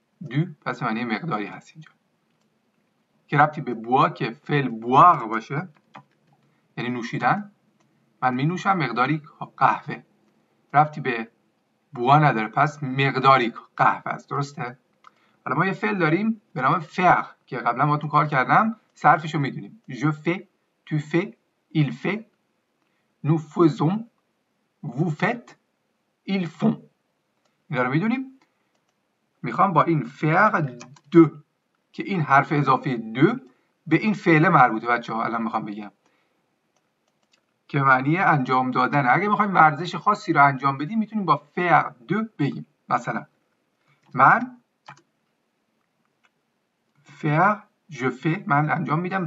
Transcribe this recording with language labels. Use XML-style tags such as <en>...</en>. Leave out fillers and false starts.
<fa>دو پس معنی مقداری هست اینجا که ربطی به بوا که فعل بواغ باشه یعنی نوشیدن، من می نوشم مقداری قهوه، رفتی به بوا نداره پس مقداری قهوه است، درسته؟ حالا ما یه فعل داریم به نام فر که قبلا با تون کار کردم، صرفش رو می دونیم.</fa> <fr>je fais, tu fais, il fait, nous faisons, vous faites, ils font.</fr> <fa>این رو می دونیم. می خواهم با این فر دو که این حرف اضافه دو به این فعل مربوطه، بچه ها الان می خواهم بگم که معنی انجام دادن. اگه بخوایم ورزش خاصی رو انجام بدیم میتونیم با faire de بگیم. مثلا من</fa> <fr>faire je fais،</fr> <fa>من انجام میدم.</fa>